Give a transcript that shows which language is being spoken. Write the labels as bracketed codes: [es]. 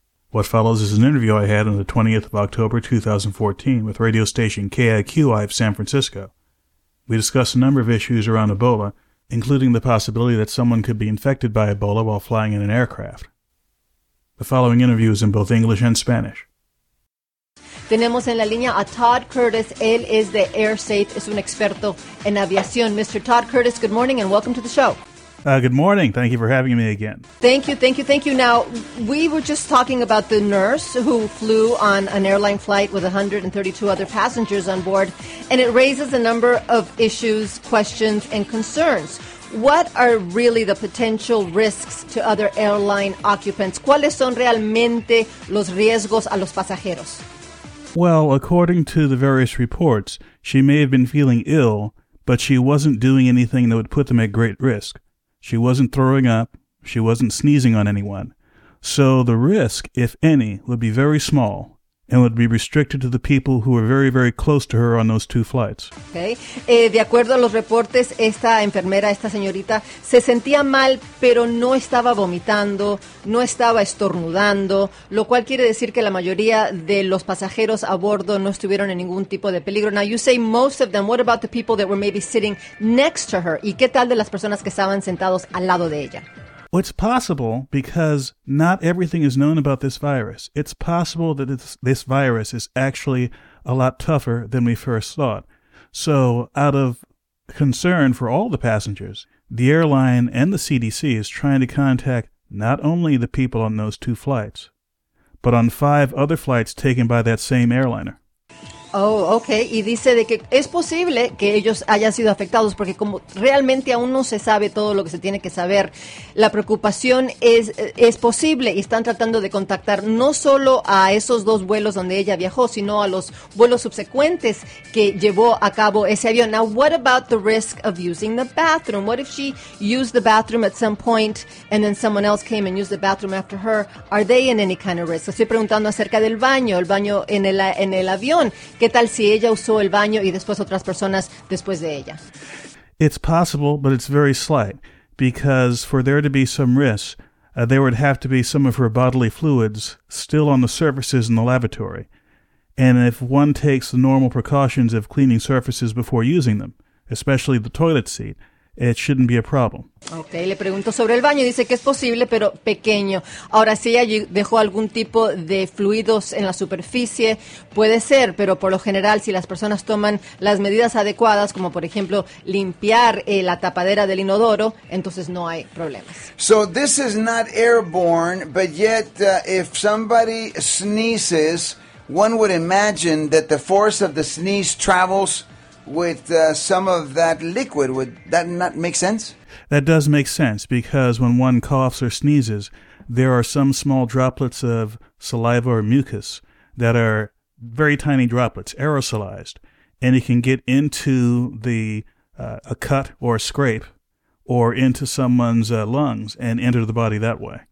[en] What follows is an interview I had on the 20th of October 2014 with radio station KIQI of San Francisco. We discuss a number of issues around Ebola, including the possibility that someone could be infected by Ebola while flying in an aircraft. The following interview is in both English and Spanish. [es] Tenemos en la línea a Todd Curtis. Él es de AirSafe, es un experto en aviación. [en] Mr. Todd Curtis, good morning and welcome to the show. Good morning. Thank you for having me again. Thank you. Now, we were just talking about the nurse who flew on an airline flight with 132 other passengers on board, and it raises a number of issues, questions, and concerns. What are really the potential risks to other airline occupants? [es] ¿Cuáles son realmente los riesgos a los pasajeros? [en] Well, according to the various reports, she may have been feeling ill, but she wasn't doing anything that would put them at great risk. She wasn't throwing up, she wasn't sneezing on anyone. So the risk, if any, would be very small and would be restricted to the people who were very, very close to her on those two flights. Okay. [es] De acuerdo a los reportes, esta enfermera, esta señorita, se sentía mal, pero no estaba vomitando, no estaba estornudando, lo cual quiere decir que la mayoría de los pasajeros a bordo no estuvieron en ningún tipo de peligro. [en] Now, you say most of them. What about the people that were maybe sitting next to her? [es] ¿Y qué tal de las personas que estaban sentados al lado de ella? [en] Well, it's possible because not everything is known about this virus. It's possible that this virus is actually a lot tougher than we first thought. So out of concern for all the passengers, the airline and the CDC is trying to contact not only the people on those two flights, but on five other flights taken by that same airliner. Oh, okay. [es] Y dice de que es posible que ellos hayan sido afectados porque como realmente aún no se sabe todo lo que se tiene que saber, la preocupación es posible y están tratando de contactar no solo a esos dos vuelos donde ella viajó, sino a los vuelos subsecuentes que llevó a cabo ese avión. [en] Now, what about the risk of using the bathroom? What if she used the bathroom at some point and then someone else came and used the bathroom after her? Are they in any kind of risk? [es] Estoy preguntando acerca del baño, el baño en el avión. ¿Qué tal si ella usó el baño y después otras personas después de ella? [en] It's possible, but it's very slight, because for there to be some risk, there would have to be some of her bodily fluids still on the surfaces in the lavatory. And if one takes the normal precautions of cleaning surfaces before using them, especially the toilet seat, it shouldn't be a problem. [es] Okay, le pregunto sobre el baño. Dice que es posible, pero pequeño. Ahora, si ella dejó algún tipo de fluidos en la superficie, puede ser, pero por lo general, si las personas toman las medidas adecuadas, como por ejemplo, limpiar la tapadera del inodoro, entonces no hay problemas. [en] So this is not airborne, but yet if somebody sneezes, one would imagine that the force of the sneeze travels with some of that liquid. Would that not make sense? That does make sense, because when one coughs or sneezes, there are some small droplets of saliva or mucus that are very tiny droplets, aerosolized, and it can get into a cut or a scrape or into someone's lungs and enter the body that way.